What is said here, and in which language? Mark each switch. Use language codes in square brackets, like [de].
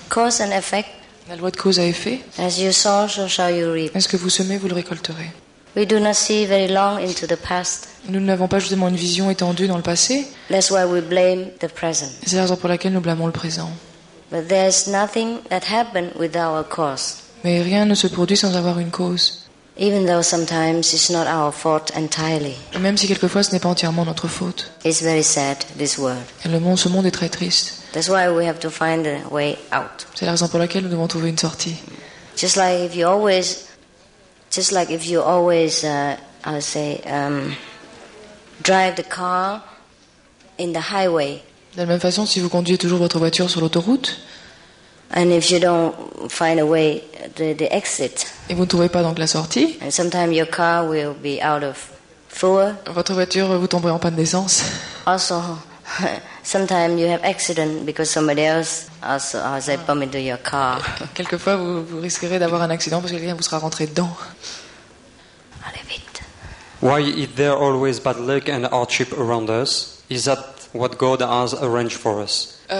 [en] Cause and effect. [fr] La loi de cause à effet. [en] As you sow, so shall you reap. [fr] Est-ce que vous semez, vous le récolterez. [en] We do not see very long into the past. [fr] Nous n'avons pas justement une vision étendue dans le passé. [en] That's why we blame the present. [fr] C'est la raison pour laquelle nous blâmons le présent. [en] But there's nothing that happened without a cause. [fr] Mais rien ne se produit sans avoir une cause. [en] Even though sometimes it's not our fault entirely. [fr] Et même si quelquefois ce n'est pas entièrement notre faute. [en] It's very sad, this world. [fr] Et ce monde est très triste. [en] That's why we have to find a way out. [fr] C'est la raison pour laquelle nous devons trouver une sortie. [en] Just like if you always... Just like if you always, drive the car in the highway. [fr] De la même façon, si vous conduisez toujours votre voiture sur l'autoroute. [en] And if you don't find a way, the exit. [fr] Et vous ne trouvez pas donc la sortie. [en] And sometimes your car will be out of fuel. [fr] Votre voiture vous tomberait en panne d'essence. [en] Also, sometimes you have accident because somebody else also has a bump into your car. [fr] Quelquefois, vous risquerez d'avoir un accident parce que quelqu'un vous sera rentré dedans. Allez vite. [en] Why is there always bad luck and hardship around us? Is that what God has arranged for us?